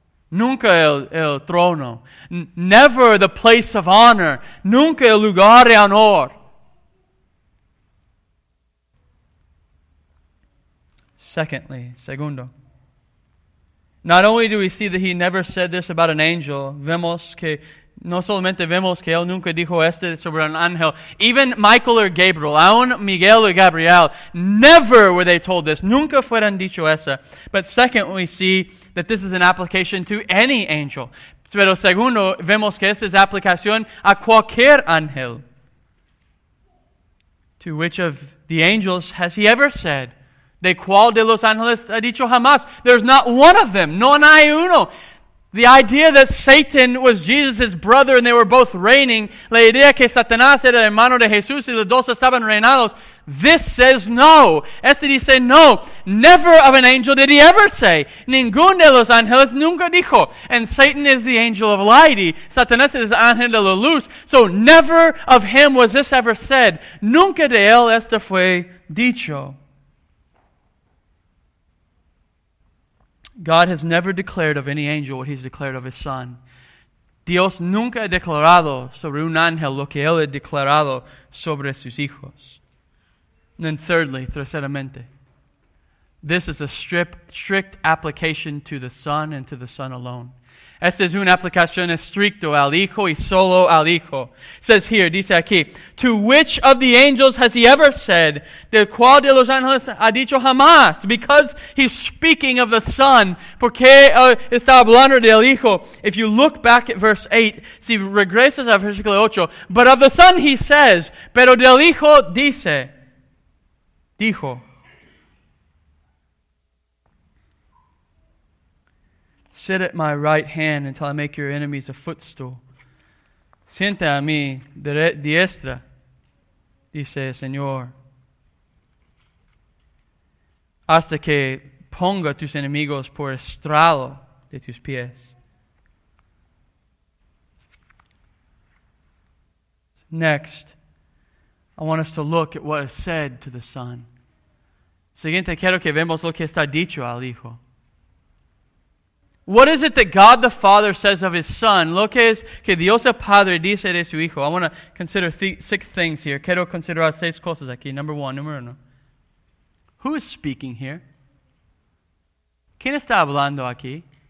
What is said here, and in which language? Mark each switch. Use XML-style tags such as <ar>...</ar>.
<es>Nunca el trono.</es> <en>Never the place of honor.</en> <es>Nunca el lugar de honor.</es> <en>Secondly,</en> <es>segundo.</es> <en>Not only do we see that he never said this about an angel,</en> <es>vemos que No solamente vemos que él nunca dijo esto sobre un ángel.</es> <en>Even Michael or Gabriel,</en> <es>aún Miguel or Gabriel,</es> <en>never were they told this.</en> <es>Nunca fueron dicho eso.</es> <en>But second, we see that this is an application to any angel.</en> <es>Pero segundo, vemos que esta es aplicación a cualquier ángel.</es> <en>To which of the angels has he ever said?</en> <es>¿De cuál de los ángeles ha dicho jamás?</es> <en>There's not one of them.</en> <es>No hay uno.</es> <en>The idea that Satan was Jesus' brother and they were both reigning,</en> <es>la idea que Satanás era hermano de Jesús y los dos estaban reinados,</es> <en>this says no.</en> <es>Este dice no.</es> <en>Never of an angel did he ever say.</en> <es>Ningún de los ángeles nunca dijo.</es> <en>And Satan is the angel of light.</en> <es>Satanás es ángel de la luz.</es> <en>So never of him was this ever said.</en> <es>Nunca de él esto fue dicho.</es> <en>God has never declared of any angel what he's declared of his son.</en> <es>Dios nunca ha declarado sobre un ángel lo que él ha declarado sobre sus hijos.</es> <en>And then thirdly,</en> <es>terceramente,</es> <en>this is a strict application to the son and to the son alone.</en> <es>Esta es una aplicación estricta al hijo y solo al hijo.</es> <en>Says here,</en> <es>dice aquí,</es> <en>to which of the angels has he ever said,</en> <es>de cuál de los ángeles ha dicho jamás?</es> <en>Because he's speaking of the son.</en> <es>Porque está hablando del hijo.</es> <en>If you look back at verse 8,</en> <es>si regresas a versículo 8,</es> <en>but of the son he says,</en> <es>pero del hijo dice, dijo.</es> <en>Sit at my right hand until I make your enemies a footstool.</en> <es>Siente a mi diestra, dice el Señor. Hasta que ponga tus enemigos por estrado de tus pies.</es> <en>Next, I want us to look at what is said to the Son.</en> <es>Siguiente, quiero que vemos lo que está dicho al Hijo.</es> <en>What is it that God the Father says of His Son?</en> <es>Lo que es que Dios el Padre dice de su Hijo.</es> <en>I want to consider six things here.</en> <es>Quiero considerar seis cosas aquí.</es> <en>Number one,</en> <es>número uno.</es> <en>Who is speaking here?</en> <es>¿Quién está hablando aquí?</es>